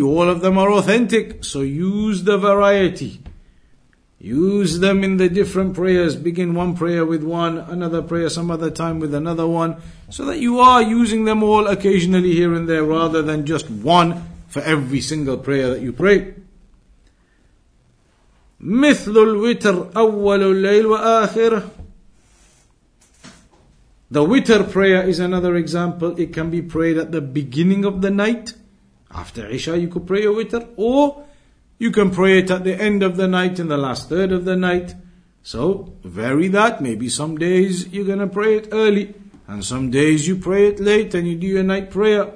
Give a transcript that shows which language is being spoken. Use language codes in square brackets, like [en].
[en] All of them are authentic. So use the variety. Use them in the different prayers. Begin one prayer with one, another prayer some other time with another one, so that you are using them all occasionally here and there, rather than just one for every single prayer that you pray. [ar] مثل الوتر أول الليل وآخر. [en] The witr prayer is another example. It can be prayed at the beginning of the night. After Isha you could pray a witr, or you can pray it at the end of the night, in the last third of the night. So, vary that. Maybe some days you're going to pray it early, and some days you pray it late, and you do your night prayer.